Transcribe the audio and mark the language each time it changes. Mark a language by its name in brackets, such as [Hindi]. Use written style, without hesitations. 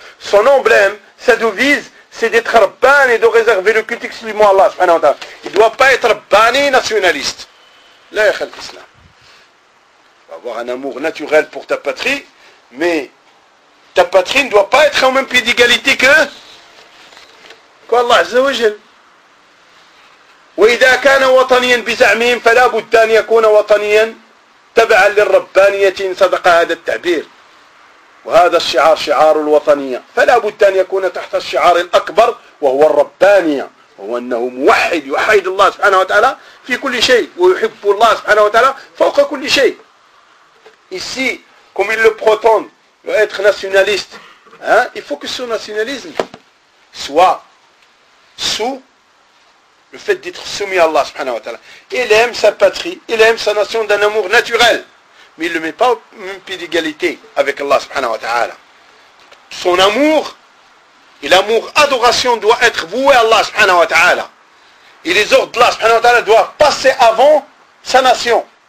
[French] Son emblème, sa devise, c'est d'être Rabbani et de réserver le culte, excusez-moi Allah subhanahu wa ta'ala. Il ne doit pas être Rabbani nationaliste. La yakhal islam. Il faut avoir un amour naturel pour ta patrie, mais ta patrie ne doit pas être au même pied d'égalité que Allah azza wa jal. [Arabic] وإذا كان وطنيا بزعمهم فلا بد أن يكون وطنيا تبعا للربانية إن صدق هذا التعبير وهذا الشعار شعار الوطنية فلا بد أن يكون تحت الشعار الأكبر وهو الربانية وهو أنه موحد يحيد الله سبحانه وتعالى في كل شيء ويحب الله سبحانه وتعالى فوق كل شيء [French] ici comme il le prétend être nationaliste hein il faut que ce nationalisme soit sous Le fait d'être soumis à Allah subhanahu wa ta'ala. Il aime sa patrie, il aime sa nation d'un amour naturel. Mais il ne le met pas au même pied d'égalité avec Allah subhanahu wa ta'ala. Son amour et l'amour adoration doit être voué à Allah subhanahu wa ta'ala. Et les ordres d'Allah subhanahu wa ta'ala doivent passer avant sa nation.